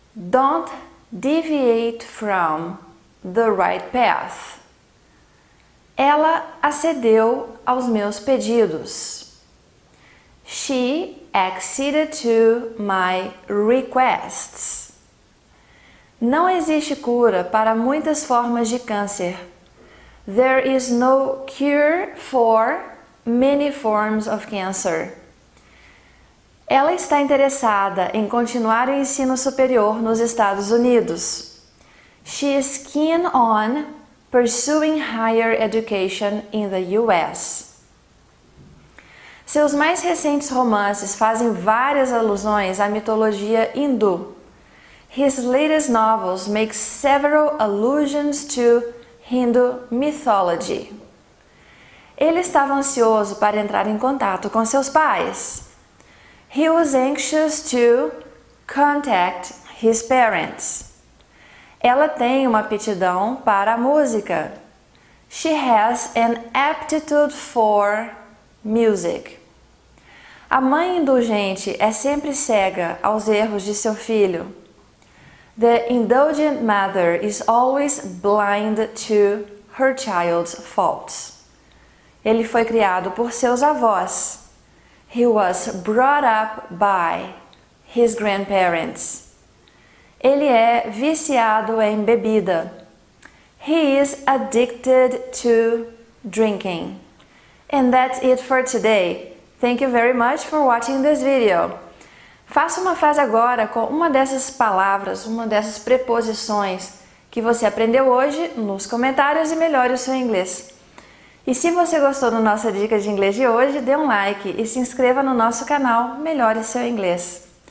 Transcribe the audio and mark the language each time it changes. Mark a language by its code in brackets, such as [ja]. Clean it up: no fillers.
[en] Don't deviate from the right path. [pt] Ela acedeu aos meus pedidos. [en] She acceded to my requests. [pt] Não existe cura para muitas formas de câncer. [en] There is no cure for many forms of cancer. [pt] Ela está interessada em continuar o ensino superior nos Estados Unidos. [en] She is keen on pursuing higher education in the US. [pt] Seus mais recentes romances fazem várias alusões à mitologia hindu. [en] His latest novels make several allusions to Hindu mythology. [pt] Ele estava ansioso para entrar em contato com seus pais. [en] He was anxious to contact his parents. [pt] Ela tem uma aptidão para a música. [en] She has an aptitude for music. [pt] A mãe indulgente é sempre cega aos erros de seu filho. [en] The indulgent mother is always blind to her child's faults. [pt] Ele foi criado por seus avós. [en] He was brought up by his grandparents. [pt] Ele é viciado em bebida. [en] He is addicted to drinking. And that's it for today. Thank you very much for watching this video. [pt] Faça uma frase agora com uma dessas palavras, uma dessas preposições que você aprendeu hoje nos comentários e melhore o seu inglês. E se você gostou da nossa dica de inglês de hoje, dê um like e se inscreva no nosso canal Melhore Seu Inglês.